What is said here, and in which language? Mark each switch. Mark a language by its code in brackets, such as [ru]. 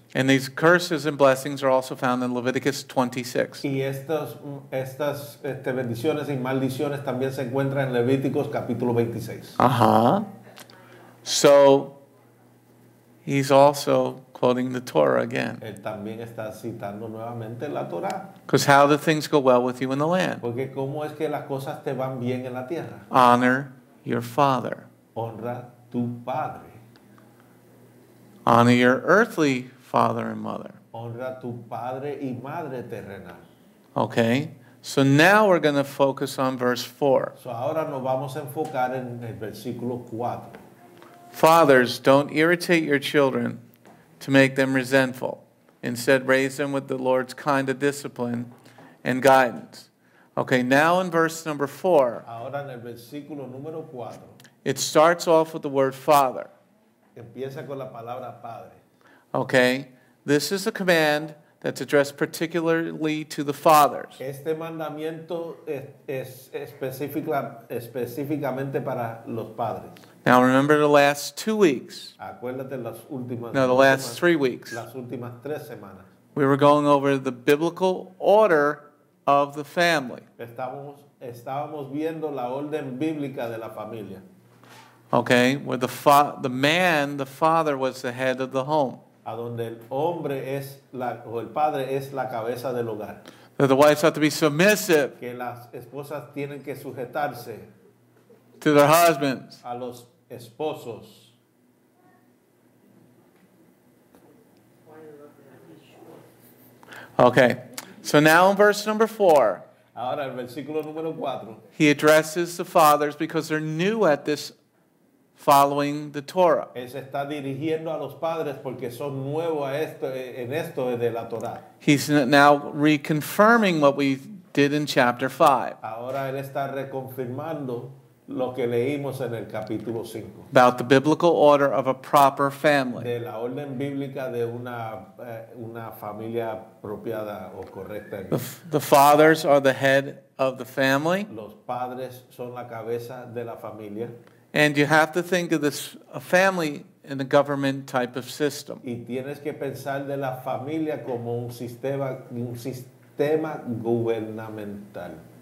[en] And these curses and blessings are also found in Leviticus 26. [es] Y estas bendiciones y maldiciones también se encuentran en Levíticos capítulo 26. [en] Uh-huh. So, he's also quoting the Torah again. [es] Él también está citando nuevamente la Torah. [en] Because how do things go well with you in the land? [es] Porque cómo es que las cosas te van bien en la tierra. [en] Honor your father. [es] Honra tu padre. [en] Honor your earthly father and mother. [es] Honra tu padre y madre terrenal. [en] Okay. So now we're going to focus on verse 4. [es] So ahora nos vamos a enfocar en el versículo 4. [en] Fathers, don't irritate your children to make them resentful. Instead, raise them with the Lord's kind of discipline and guidance. Okay, now in verse number 4. [es] Ahora en el versículo número 4. [en] It starts off with the word father. [es] Empieza con la palabra padre. [en] Okay, this is a command that's addressed particularly to the fathers. [es] Este mandamiento es específicamente para los padres. [en] Now remember the last 2 weeks. [es] Acuérdate las últimas. [en] No, the last 3 weeks. [es] Las últimas 3 semanas. [en] We were going over the biblical order of the family. [es] Estábamos viendo la orden bíblica de la familia. [en] Okay, where the father was the head of the home. [es] A donde el hombre es la o el padre es la cabeza del hogar. [en] That the wives have to be submissive. [es] Que las esposas tienen que sujetarse. [en] To their husbands. [es] A los esposos. [en] Okay. So now in verse number 4. [es] Ahora el versículo número 4. [en] He addresses the fathers because they're new at this following the Torah. [es] Él se está dirigiendo a los padres porque son nuevos a esto, en esto de la Torah. [en] He's now reconfirming what we did in chapter 5. [es] Ahora él está reconfirmando lo que leímos en el capítulo 5. [en] About the biblical order of a proper family. [es] De la orden bíblica de una familia apropiada o correcta. [en] The fathers are the head of the family. [es] Los padres son la cabeza de la familia. [en] And you have to think of this a family in a government type of system. [es] Y tienes que pensar de la familia como un sistema gubernamental.